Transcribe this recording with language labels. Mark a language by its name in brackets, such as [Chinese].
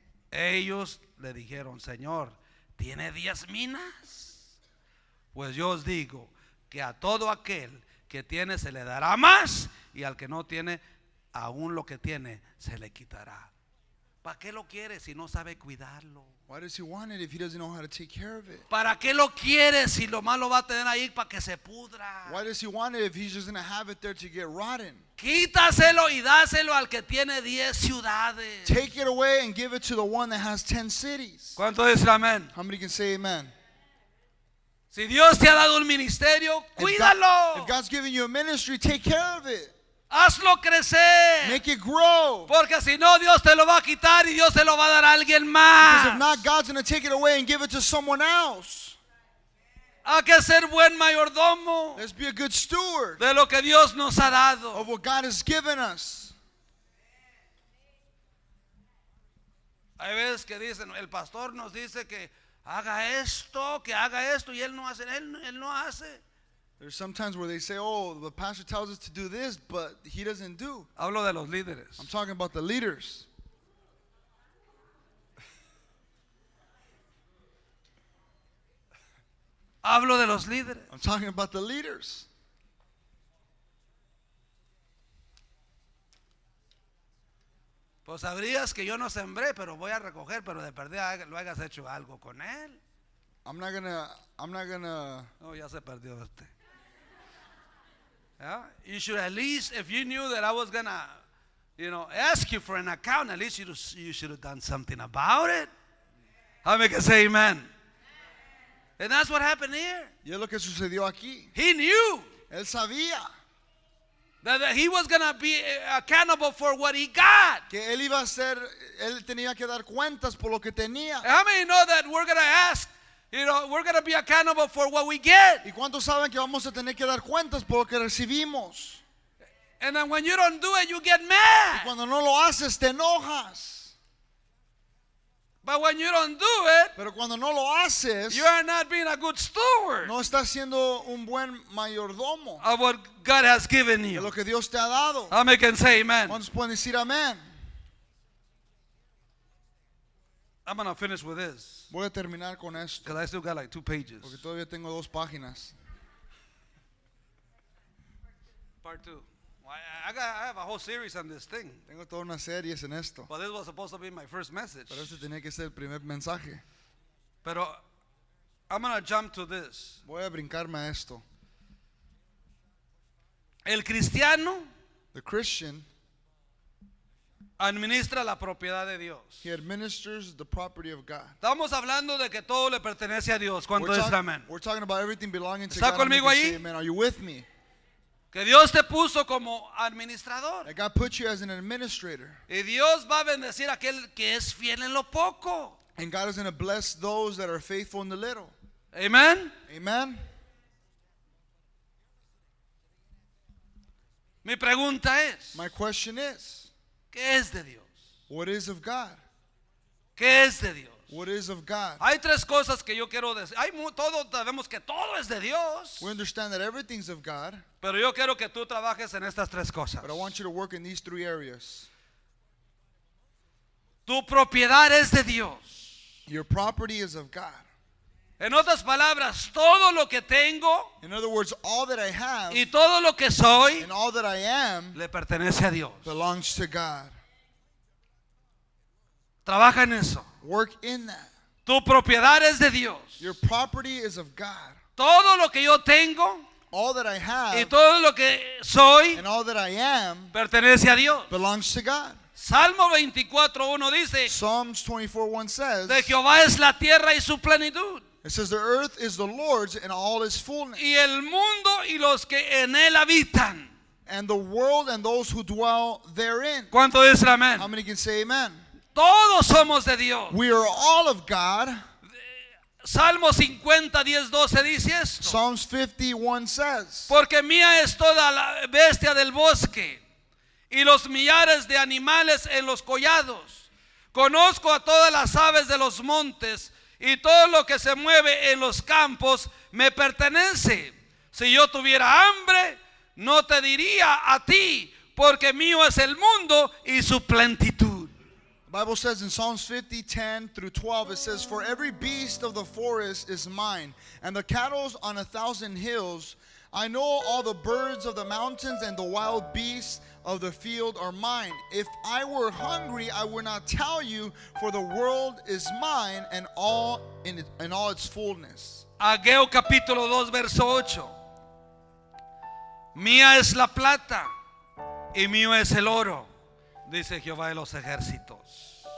[Spanish] Ellos le dijeron, Señor, ¿tiene 10 minas? Pues yo os digo que a todo aquel que tiene se le dará más, y al que no tiene, aún lo que tiene se le quitará. ¿Para qué lo quiere si no sabe cuidarlo? [English] Why does he want it if he doesn't know how to take care of it? [Spanish] ¿Para qué lo quiere si lo malo va a tener ahí para que se pudra? [English] Why does he want it if he's just going to have it there to get rotten? [Spanish] Quítaselo y dáselo al que tiene 10 ciudades. [English] Take it away and give it to the one that has 10 cities. [Spanish] ¿Cuánto dice amén? [English] How many can say amen? [Spanish] Si Dios te ha dado un ministerio, cuídalo. [English] If God's giving you a ministry, take care of it. [Spanish] Hazlo crecer. [English] Make it grow. [Spanish] Porque si no, Dios te lo va a quitar y Dios se lo va a dar a alguien más. [English] Because if not, God's going to take it away and give it to someone else. [Spanish] Hay que ser buen mayordomo. [English] Let's be a good steward. [Spanish] De lo que Dios nos ha dado. [English] Of what God has given us. [Spanish] Hay veces que dicen, el pastor nos dice que haga esto, que haga esto, y él no hace. [English] There's sometimes where they say, oh, the pastor tells us to do this, but he doesn't do. [Spanish] Hablo de los líderes. [English] I'm talking about the leaders. [Spanish] Hablo de los líderes. [English] I'm talking about the leaders. [Spanish] Pues sabrías que yo no sembré, pero voy a recoger, pero de perdida lo hayas hecho algo con él. [English] I'm not gonna. [Spanish] Oh, ya se perdió este. Yeah? [English] You should at least, if you knew that I was gonna, you know, ask you for an account, at least you should have done something about it. How many can say amen? And that's what happened here. [Spanish] Y es lo que sucedió aquí. [English] He knew. [Spanish] Él sabía. [English] That he was going to be accountable for what he got. [Spanish] Que él iba a ser, él tenía que dar cuentas por lo que tenía. [English] How many know that we're going to ask, you know, we're going to be accountable for what we get? [Spanish] ¿Y cuántos saben que vamos a tener que dar cuentas por lo que recibimos? [English] And then when you don't do it, you get mad. [Spanish] Y cuando no lo haces, te enojas. [English] But when you don't do it, [Spanish] pero cuando no lo haces, [English] you are not being a good steward. [Spanish] No estás siendo un buen mayordomo. [English] Of what God has given you. [Spanish] De lo que Dios te ha dado. [English] I can say amen. [Spanish] ¿Cuántos pueden decir amén? [English] I'm going to finish with this. [Spanish] Voy a terminar con esto. [English] Because I still got like 2 pages. [Spanish] Porque todavía tengo 2 páginas. [English] Part 2. I have a whole series on this thing. [Spanish] Tengo toda una serie en esto. [English] But this was supposed to be my first message. [Spanish] Pero este tenía que ser el primer mensaje. [English] Pero I'm going to jump to this. [Spanish] Voy a brincarme a esto. El cristiano, [English] the Christian, [Spanish] administra la propiedad de Dios. [English] He administers the property of God. [Spanish] Estamos hablando de que todo le pertenece a Dios. ¿Cuánto es amén? [English] We're talking about everything belonging to [Spanish] ¿Está [English] God. [Spanish] ¿Está conmigo ahí? [English] Amen. Are you with me? [Spanish] Que Dios te puso como administrador. [English] And God put you as an administrator. [Spanish] Y Dios va a bendecir a aquel que es fiel en lo poco. [English] And God is going to bless those that are faithful in the little. [Spanish] Amen. [English] Amen. [Spanish] Mi pregunta es, [English] my question is, [Spanish] ¿qué es de Dios? [English] What is of God? [Spanish] ¿Qué es de Dios? [English] What is of God? [Spanish] Hay tres cosas que yo quiero decir. Hay todo, sabemos que todo es de Dios. [English] We understand that everything's of God. [Spanish] Pero yo quiero que tú trabajes en estas tres cosas. [English] But I want you to work in these three areas. [Spanish] Tu propiedad es de Dios. [English] Your property is of God. [Spanish] En otras palabras, todo lo que tengo, [English] in other words, all that I have, [Spanish] y todo lo que soy, [English] and all that I am, [Spanish] le pertenece a Dios. [English] Belongs to God. [Spanish] Trabaja en eso. [English] Work in that. [Spanish] Tu propiedad es de Dios. [English] Your property is of God. [Spanish] Todo lo que yo tengo, [English] all that I have, [Spanish] y todo lo que soy, [English] and all that I am, [Spanish] pertenece a Dios. [English] Belongs to God. [Spanish] Salmo 24:1 dice, [English] Psalms 24:1 says, [Spanish] de Jehová es la tierra y su plenitud. [English] It says the earth is the Lord's and all its fullness. [Spanish] Y el mundo y los que en él habitan. [English] And the world and those who dwell therein. [Spanish] ¿Cuánto dice amén? [English] How many can say amen? [Spanish] Todos somos de Dios. [English] We are all of God. [Spanish] Salmo 50:10-12 dice esto. [English] Psalms 51 says, [Spanish] porque mía es toda la bestia del bosque y los millares de animales en los collados. Conozco a todas las aves de los montes y todo lo que se mueve en los campos me pertenece. Si yo tuviera hambre, no te diría a ti, porque mío es el mundo y su plenitud. [English] The Bible says in Psalms 50:10-12, it says, for every beast of the forest is mine, and the cattle on a thousand hills. I know all the birds of the mountains and the wild beasts of the field are mine. If I were hungry, I would not tell you, for the world is mine and all in it, and all its fullness. [Spanish] Ageo capítulo 2 verso 8. Mía es la plata y mío es el oro, dice Jehová de los ejércitos.